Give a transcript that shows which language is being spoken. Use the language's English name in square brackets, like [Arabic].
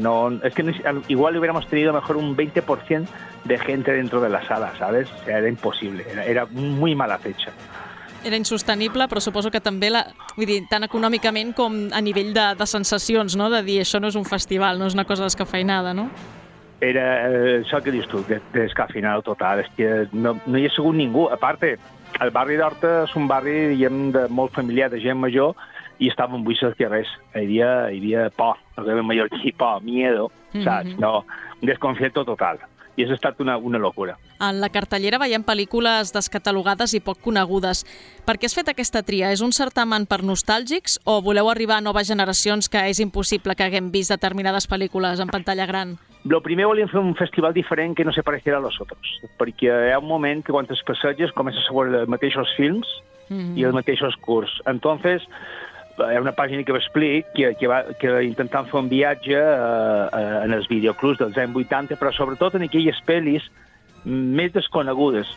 [Spanish] No, es que igual hubiéramos tenido mejor un 20% de gente dentro de la sala, ¿sabes? O sea, era imposible, era muy mala fecha. [Catalan] Era insostenible, però suposo que també, vull dir, tant econòmicament com a nivell de sensacions, no? De dir, això no és un festival, no és una cosa descafeinada, no? Era això que dius tu, descafeinada total. És que no hi ha sigut ningú. A part, el barri d'Horta és un barri, diguem, de molt familiar, de gent major, i estàvem buits als carrers. Hi havia por, no hi havia major aquí, por, miedo, saps? No, [Spanish] un desconcierto total. [Catalan] I això ha estat una locura. En la cartellera veiem pel·lícules descatalogades i poc conegudes. Per què has fet aquesta tria? És un certamen per nostàlgics o voleu arribar a noves generacions que és impossible que haguem vist determinades pel·lícules en pantalla gran? Lo primer volíem fer un festival diferent [Spanish] que no se pareciera a los otros. [Catalan] Perquè hi ha un moment que quan es passeges comences a veure els mateixos films i els mateixos curs. Entonces, hi ha una pàgina que ho explica, que intentam fer un viatge en els videoclubs dels anys 80, però sobretot en aquelles pel·lis més desconegudes.